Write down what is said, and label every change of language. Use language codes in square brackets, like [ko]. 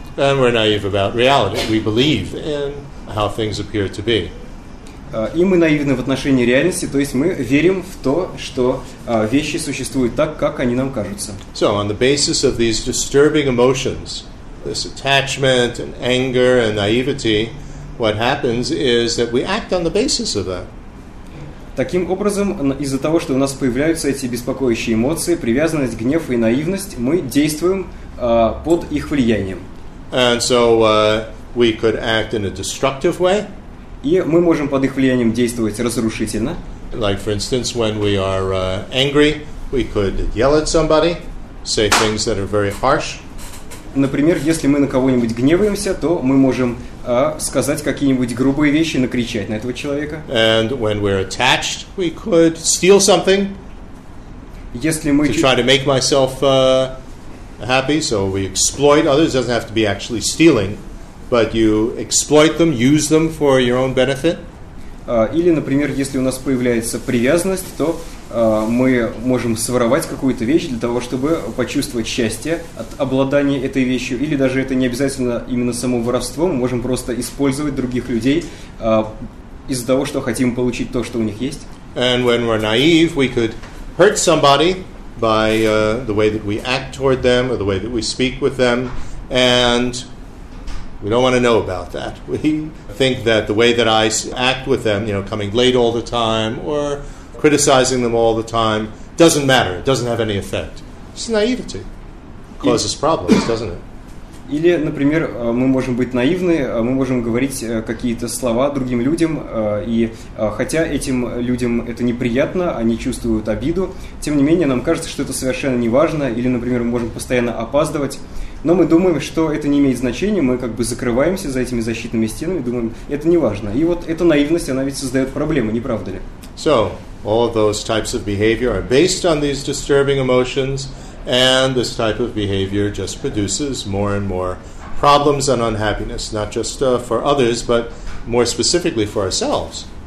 [en] And we're naive about reality. We believe in how things appear to be. [ru] И мы наивны в отношении реальности, то есть мы верим в то, что вещи существуют так, как они нам кажутся. [en] So, on the basis of these disturbing emotions, this attachment and anger and naivety, what happens is that we act on the basis of that. [ru] Таким образом, из-за того, что у нас появляются эти беспокоящие эмоции, привязанность, гнев и наивность, мы действуем под их влиянием. [en] And so we could act in a destructive way. [ru] И мы можем под их влиянием действовать разрушительно. [en] Like, for instance, when we are angry, we could yell at somebody, say things that are very harsh. [ru] Например, если мы на кого-нибудь гневаемся, то мы можем сказать какие-нибудь грубые вещи, накричать на этого человека. [en] And when we're attached, we could steal something. [ru] Если мы [en] to try to make myself happy, so we exploit others. It doesn't have to be actually stealing, but you exploit them, use them for your own benefit. [ru] Или, например, если у нас появляется привязанность, то мы можем своровать какую-то вещь для того, чтобы почувствовать счастье от обладания этой вещью, или даже это не обязательно именно само воровство, мы можем просто использовать других людей из-за того, что хотим получить то, что у них есть. [en] And when we're naive, we could hurt somebody by the way that we act toward them or the way that we speak with them, and we don't want to know about that. We think that the way that I act with them, you know, coming late all the time or criticizing them all the time, doesn't matter. It doesn't have any effect. It's naivety. It causes problems, doesn't it? [ru] Или, например, мы можем быть наивны, мы можем говорить какие-то слова другим людям, и хотя этим людям это неприятно, они чувствуют обиду, тем не менее нам кажется, что это совершенно не важно, или, например, мы можем постоянно опаздывать, но мы думаем, что это не имеет значения, мы как бы закрываемся за этими защитными стенами, думаем, это не важно. И вот эта наивность, она ведь создает проблемы, не правда ли? [en] So, all of those types of behavior are based on these disturbing emotions. And this type of behavior just produces more and more problems and unhappiness, not just for others, but more specifically for ourselves.